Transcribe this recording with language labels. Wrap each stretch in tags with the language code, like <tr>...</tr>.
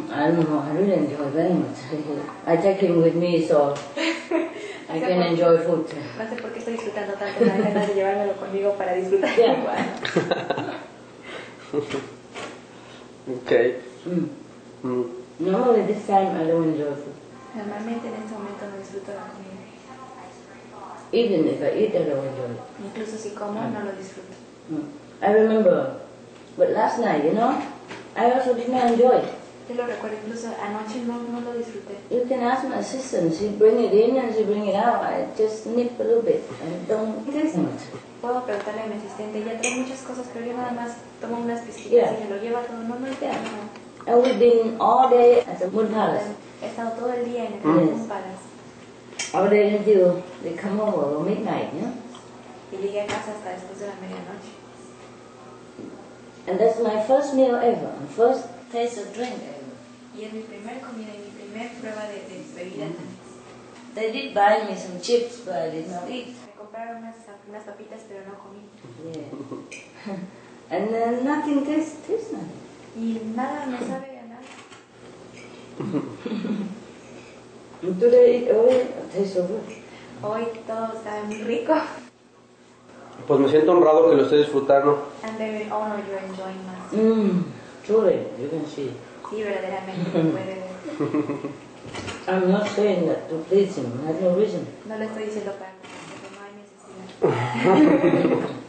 <en>I don't know, I really enjoy very much. I take him with me, so... I can enjoy food.</en> <es>No sé por qué estoy disfrutando tanto, me da ganas de llevármelo conmigo para disfrutar igual.</es> <en>Okay. Normally this time I don't enjoy food.</en> <es>Normalmente en este momento no disfruto la comida.</es> <en>even if I eat, I don't enjoy it.</en> <es>Incluso si como, no lo disfruto.</es> <en>I remember, but last night, you know, I also did not enjoy it.</en> <es>Te lo recuerdo, incluso anoche no, no lo disfruté.</es> <en>You can ask my sister, she bring it in and she bring it out. I just nip a little bit and don't eat much.</en> <es>Puedo preguntarle a mi asistente, ella trae muchas cosas, pero yo nada más tomo unas pizquitas y me lo lleva todo, no, no, no.</es> <en>And we've been all day at the Moon Palace.</en> <es>He estado todo el día en el Moon Palace.</es> <en>Over there until they come over at midnight, yeah?</en> <es>Y llegué a casa hasta después de la medianoche.</es> <en>And that's my first meal ever, and first taste of drink ever.</en> <es>Y es mi primer comida y mi primer prueba de bebida.</es> <en>They did buy me some chips, but I did not eat.</en> <es>Me compraron unas papitas, pero no comí.</es> <en>Yeah. And then nothing tastes nothing.</en> <es>Y nada me sabe a nada.</es> <en>Today, hoy, taste so good.</en> <es>Hoy todo está muy rico. Pues me siento honrado que lo esté disfrutando.</es> <en>And very honored you're enjoying myself. Truly, you can see.</en> <es>Sí, verdaderamente, puede ver.</es> <en>I'm not saying that to please him, I have no reason.</en> <es>No le estoy diciendo para que no hay necesidad.</es>